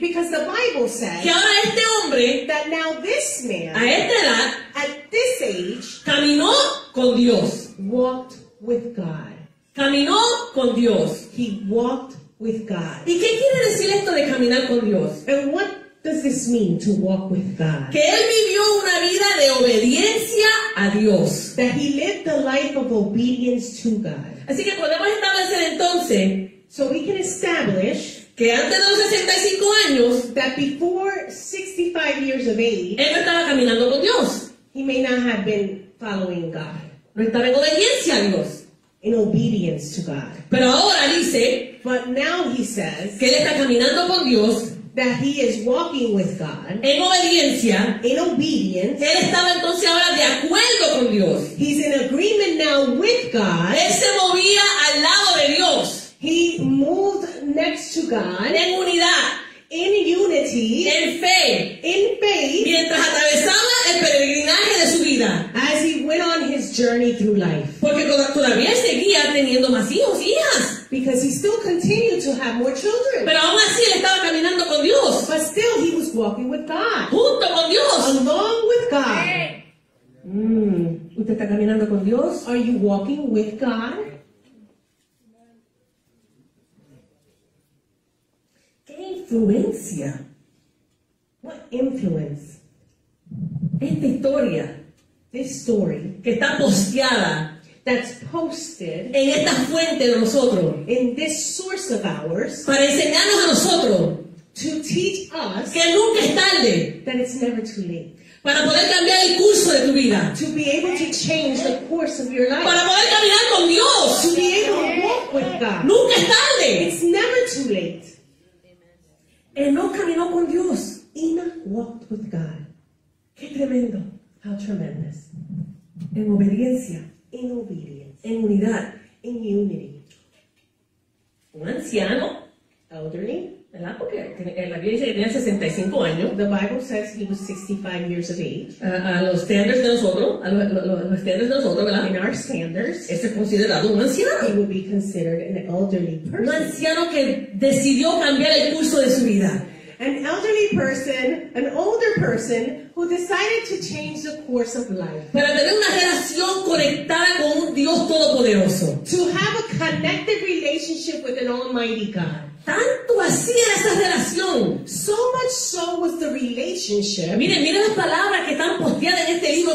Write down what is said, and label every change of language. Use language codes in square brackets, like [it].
[en] Because the Bible says. [es] Que ahora este hombre. [en] That now this man. [es] A esta edad. [en] At this age. [es] Caminó con Dios. [en] Walked with God. [es] Caminó con Dios. [en] He walked with God. [es] ¿Y qué quiere decir esto de caminar con Dios? [en] And what does this mean to walk with God? [es] Que él vivió una vida de obediencia a Dios. [en] That he lived a life of obedience to God. [es] Así que podemos establecer entonces. [en] So we can establish. [es] Que antes de los 65 años. [en] That before 65 years of age. [es] Él no estaba caminando con Dios. [en] He may not have been following God. [es] No estaba en obediencia a Dios. [en] In obedience to God. [es] Pero ahora dice, [en] but now he says [es] que él está caminando con Dios, [en] that he is walking with God [es] en obediencia, [en] in obedience. [es] Él estaba entonces ahora de acuerdo con Dios. [en] He's in agreement now with God. [es] Él se movía al lado de Dios. [en] He moved next to God [es] en unidad, [en] in unity, [es] en fe, [en] in faith, [es] mientras atravesaba el peregrinaje de su vida, [en] as he went on his journey through life, [es] porque todavía seguía teniendo más hijos, hijas, [en] because he still continued to have more children, [es] pero aún así él estaba caminando con Dios, [en] but still he was walking with God, [es] junto con Dios, [en] along with God. [es] ¿Usted está caminando con Dios? [en] Are you walking with God? [es] Influencia. [en] What influence? [es] Esta historia. [en] This story. [es] Que está posteada. [en] That's posted. [es] En esta fuente de nosotros. [en] In this source of ours. [es] Para enseñarnos a nosotros. [en] To teach us. [es] Que nunca es tarde. [en] That it's never too late. [es] Para poder cambiar el curso de tu vida. [en] To be able to change the course of your life. [es] Para poder caminar con Dios. [en] To be able to walk with God. [es] Nunca es tarde. [en] It's never too late. [es] Enoch caminó con Dios. [en] Enoch walked with God. [es] Qué tremendo. [en] How tremendous. [es] En obediencia. [en] In obedience. [es] En unidad. [en] In unity. [es] Un anciano. [en] Elderly. [es] ¿Verdad? Porque la Biblia dice que tenía 65 años. [en] The Bible says he was 65 years of age. [es] A los estándares de nosotros. A los estándares de nosotros, ¿verdad? [en] In our standards. [es] Este es considerado un anciano. [en] He would be considered an elderly person. [es] Un anciano que decidió cambiar el curso de su vida. [en] An elderly person, an older person, who decided to change the course of life. [es] Para tener una relación conectada con un Dios todopoderoso. [en] To have a connected relationship with an almighty God. [es] Tanto así era esa relación. [en] So much so was the relationship. [es] Mire las palabras que están posteadas en este libro.